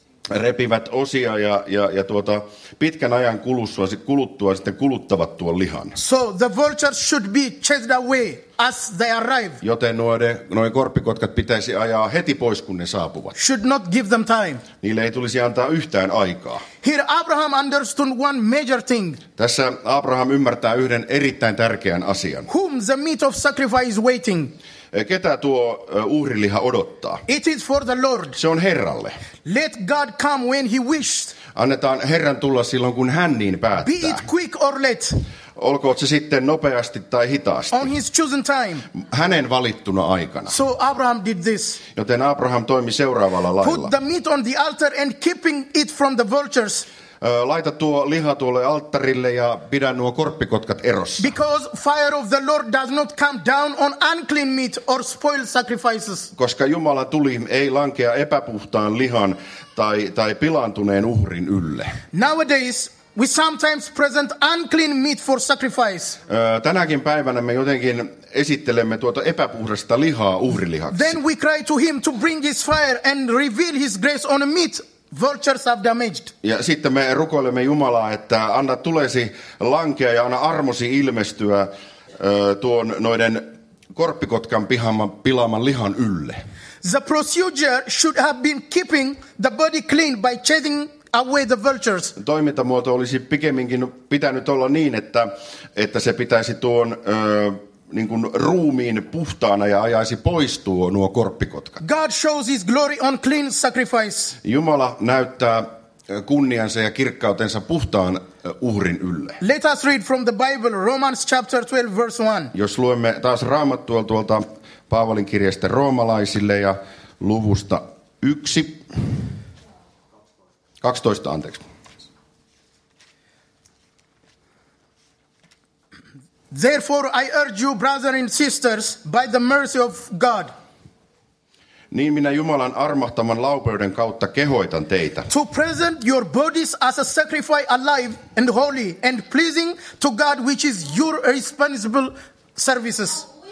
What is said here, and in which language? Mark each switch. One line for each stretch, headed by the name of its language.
Finnish: repivät osia ja tuota pitkän ajan kuluttua sitten kuluttavat tuon lihan.
English: So the vultures should be chased away as they arrive.
Finnish: Joten nuo korpikotkat pitäisi ajaa heti pois kun ne saapuvat.
English: Should not give them time.
Finnish: Niille ei tulisi antaa yhtään aikaa.
English: Here Abraham understood one major thing.
Finnish: Tässä Abraham ymmärtää yhden erittäin tärkeän asian.
English: Whom the meat of sacrifice is waiting.
Finnish: Ketä tuo uhriliha odottaa?
English: It is for the Lord.
Finnish: Se on Herralle.
English: Let God come when he wished.
Finnish: Annetaan Herran tulla silloin, kun hän niin päättää.
English: Be it quick or late.
Finnish: Olkoon se sitten nopeasti tai hitaasti.
English: On his chosen time.
Finnish: Hänen valittuna aikana.
English: So Abraham did this.
Finnish: Joten Abraham toimi seuraavalla lailla.
English: Put the meat on the altar and keeping it from the vultures.
Finnish: Laita tuo liha tuolle alttarille ja pidä nuo korppikotkat erossa.
English: Because fire of the Lord does not come down on unclean meat or spoiled sacrifices.
Finnish: Koska Jumala tuli ei lankea epäpuhtaan lihan tai pilaantuneen uhrin ylle.
English: Nowadays we sometimes present unclean meat for sacrifice.
Finnish: Tänäkin päivänä me jotenkin esittelemme tuota epäpuhdasta lihaa uhrilihaksi.
English: Then we cry to him to bring his fire and reveal his grace on meat. Vultures have damaged.
Finnish: Ja sitten me rukoilemme Jumalaa, että anna tulesi lankea ja anna armosi ilmestyä tuon noiden korppikotkan pilaaman lihan ylle.
English: The procedure should have been keeping the body clean by chasing away the vultures.
Finnish: Toimintamuoto olisi pikemminkin pitänyt olla niin, että se pitäisi tuon niin kuin ruumiin puhtaana ja ajaisi pois nuo korppikotkat.
English: God shows his glory on clean sacrifice.
Finnish: Jumala näyttää kunniansa ja kirkkautensa puhtaan uhrin ylle.
English: Let us read from the Bible, Romans chapter 12, verse 1.
Finnish: Jos luemme taas Raamattua tuolta Paavalin kirjeestä roomalaisille ja luvusta 1, 12, anteeksi.
English: Therefore I urge you brothers and sisters by the mercy of God.
Finnish: Niin minä Jumalan armahtaman laupeuden kautta kehoitan teitä.
English: To present your bodies as a sacrifice alive and holy and pleasing to God which is your responsible services.